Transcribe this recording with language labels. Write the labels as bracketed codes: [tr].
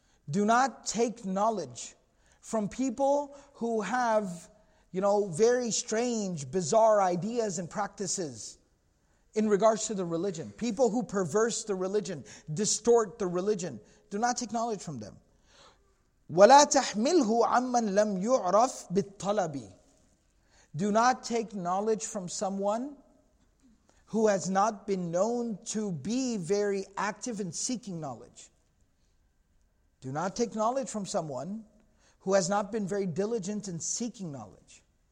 [en] Do not take knowledge from people who have, you know, very strange, bizarre ideas and practices in regards to the religion. People who perverse the religion, distort the religion. Do not take knowledge from them. [ar] ولا تحمله عمن لم يعرف بالطلب. [en] Do not take knowledge from someone who has not been known to be very active in seeking knowledge. Do not take knowledge from someone who has not been very diligent in seeking knowledge.